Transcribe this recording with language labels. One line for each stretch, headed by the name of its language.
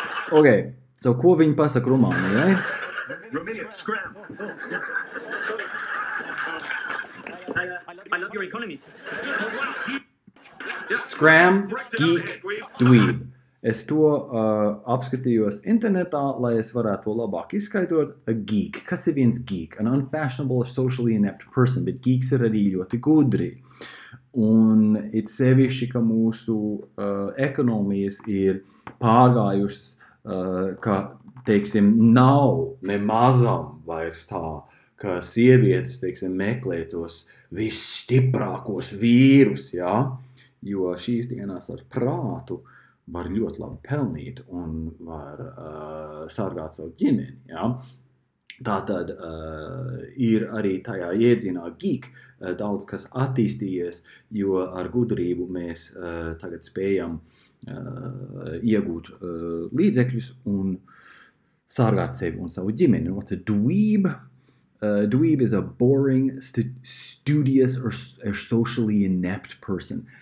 Latvian: Ok, so ko viņi pasaka Rumānijai?
English: Scram, geek, dweeb.
Latvian: Es to apskatījos internetā, lai es varētu to labāk izskaidrot.
English: A geek.
Latvian: Kas ir viens geek?
English: An unfashionable, socially inept person.
Latvian: Bet geeks ir arī ļoti gudri. Un it sevišķi, ka mūsu ekonomijas ir pārgājušas, ka, teiksim, nav ne mazam vairs tā, ka sievietes, teiksim, meklē tos visstiprākos vīrus, jā? Jo šīs dienās ar prātu var ļoti labi pelnīt un var sargāt savu ģimeni, jā? Tātad ir arī tajā iedzīnā geek daudz kas attīstījies, jo ar gudrību mēs tagad spējam iegūt līdzekļus un sargāt sevi un savu ģimeni.
English: What's a dweeb? Dweeb is a boring, studious or socially inept person.